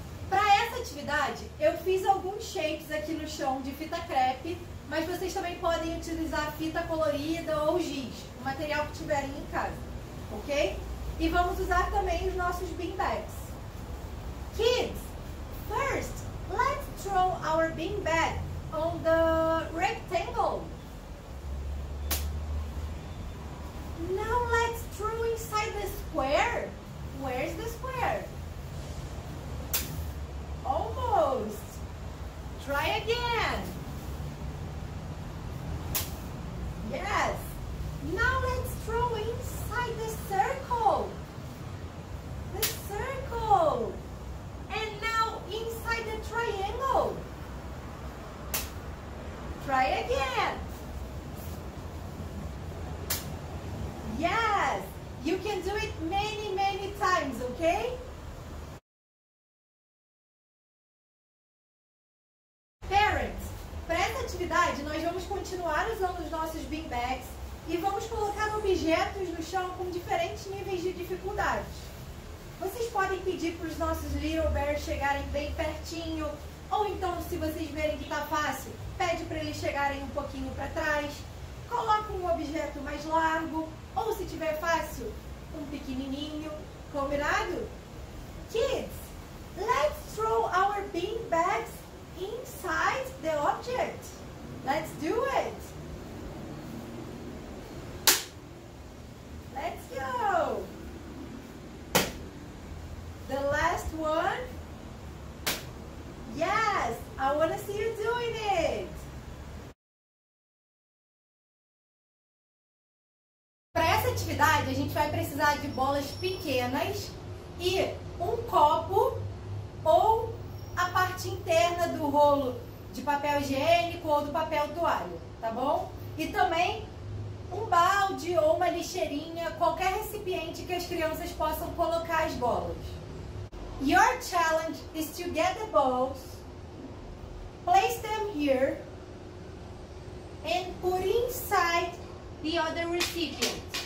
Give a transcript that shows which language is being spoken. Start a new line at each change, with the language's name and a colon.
Portuguese: Para essa atividade, eu fiz alguns shapes aqui no chão de fita crepe, mas vocês também podem utilizar fita colorida ou giz, o material que tiverem em casa, ok? E vamos usar também os nossos bean bags.
English: Kids, first, let's throw our bean bag on the rectangle. Now let's throw inside the square. Where's the square? Almost. Try again. Yes. Now let's throw inside the circle. The circle. And now inside the triangle. Try again. Yes! You can do it many, many times, okay?
Portuguese: Parents, para essa atividade, nós vamos continuar usando os nossos bean bags e vamos colocar objetos no chão com diferentes níveis de dificuldade. Vocês podem pedir para os nossos Little Bears chegarem bem pertinho, ou então, se vocês verem que está fácil, pede para eles chegarem um pouquinho para trás. Coloque um objeto mais largo, ou se tiver fácil, um pequenininho. Combinado?
English: Kids, let's throw our bean bags inside the object. Let's do it. Let's go. The last one. Yes, I want to see you doing it.
Portuguese: A gente vai precisar de bolas pequenas e um copo ou a parte interna do rolo de papel higiênico ou do papel toalha, tá bom? E também um balde ou uma lixeirinha, qualquer recipiente que as crianças possam colocar as bolas.
English: Your challenge is to get the balls, place them here and put inside the other recipient.